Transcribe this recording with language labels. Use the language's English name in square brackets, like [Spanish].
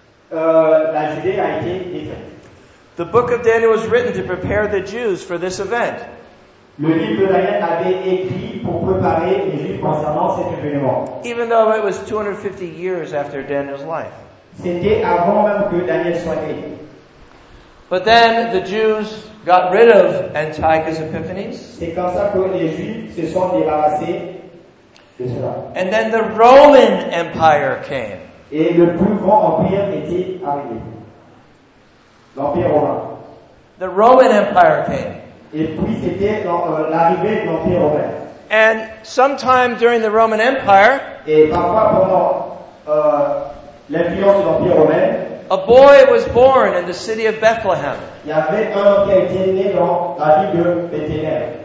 [English] The book of Daniel was written to prepare the Jews for this event. [French] Le livre de Daniel avait écrit pour préparer les Juifs concernant cet événement. [English] Even though it was 250 years after Daniel's life. [French] C'était avant même que Daniel soit né. [English] But then the Jews got rid of Antiochus Epiphanes. [French] C'est comme ça que les Juifs se sont débarrassés de cela. [English] And then the Roman Empire came. [French] Et le plus grand empire était arrivé. L'Empire romain. [English] The Roman Empire came. [French] Et puis c'était l'arrivée de l'Empire romain. [English] And sometime during the Roman Empire, [French] et parfois pendant l'influence de l'Empire romain, [English] a boy was born in the city of Bethlehem. [French] Il y avait un qui a été né dans la ville de Bethléem.